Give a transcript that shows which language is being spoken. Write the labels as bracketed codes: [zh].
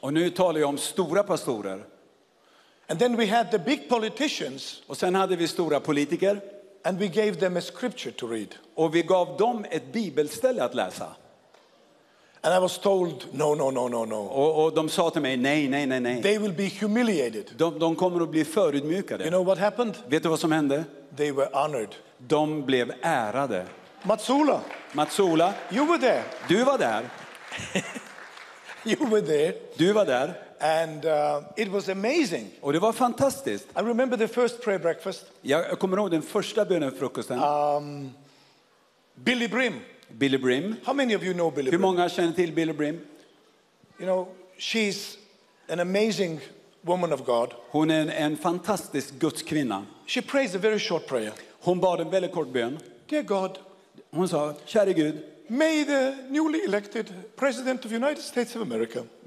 [sv] Och nu talar jag om stora pastorer. [en] And then we had the big politicians. [sv] Och sen hade vi stora politiker. [en] And we gave them a scripture to read. [sv] Och vi gav dem ett bibelställe att läsa. [en] And I was told, no. [sv] Och de sa till mig, nej. [en] They will be humiliated. [sv] De kommer att bli förödmjukade. [en] You know what happened? [sv] Vet du vad som hände? [en] They were honored. [sv] De blev ärade. [en] Matsula. You were there. [sv] Du var där. [en] You were there. [sv] Du var där. [en] And it was amazing. [sv] Och det var fantastiskt. [en] I remember the first prayer breakfast. [sv] Jag kommer ihåg den första bönefrukosten. [en] Billy Brim. How many of you know Billy Brim? [sv] Hur många känner till Billy Brim? [en] You know, she's an amazing woman of God. [sv] Hon är en fantastisk gudskvinna. [en] She prays a very short prayer. [sv] Hon bad en väldigt kort bön. [en] Dear God. [sv] Hon sa, käre Gud. [en] May the newly elected president of the United States of America.